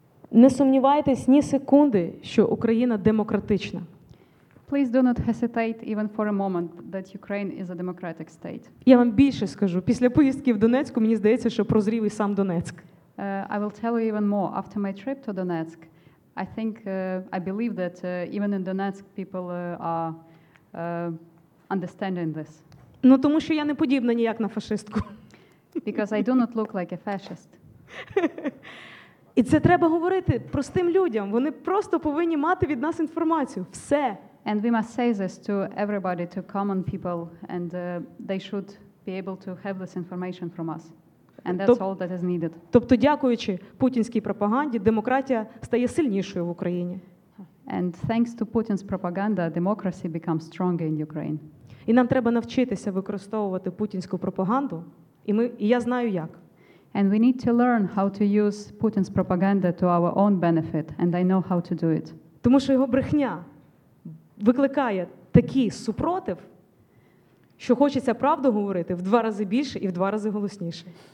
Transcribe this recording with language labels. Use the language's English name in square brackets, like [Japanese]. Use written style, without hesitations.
[Ukrainian] Не сумнівайтесь ні секунди, що Україна демократична. [English] Please do not hesitate even for a moment that Ukraine is a democratic state. [Ukrainian] Я вам більше скажу. Після поїздки в Донецьку, мені здається, що прозрів і сам Донецьк. [English] I will tell you even more. After my trip to Donetsk, I think, I believe that even in Donetsk people are understanding this. [Ukrainian] Ну, тому що я не подібна ніяк на фашистку. [English] Because I do not look like a fascist. [Ukrainian] І це треба говорити простим людям. Вони просто повинні мати від нас інформацію. Все. [English] And we must say this to everybody, to common people, and they should be able to have this information from us. And that's all that is needed. [Ukrainian] Тобто, дякуючи путінській пропаганді, демократія стає сильнішою в Україні. [English] And thanks to Putin's propaganda, democracy becomes stronger in Ukraine. [Ukrainian] І нам треба навчитися використовувати путінську пропаганду. І я знаю як. [English] And we need to learn how to use Putin's propaganda to our own benefit, and I know how to do it. [Ukrainian] Тому що його брехня викликає такий супротив, що хочеться правду говорити в два рази більше і в два рази голосніше.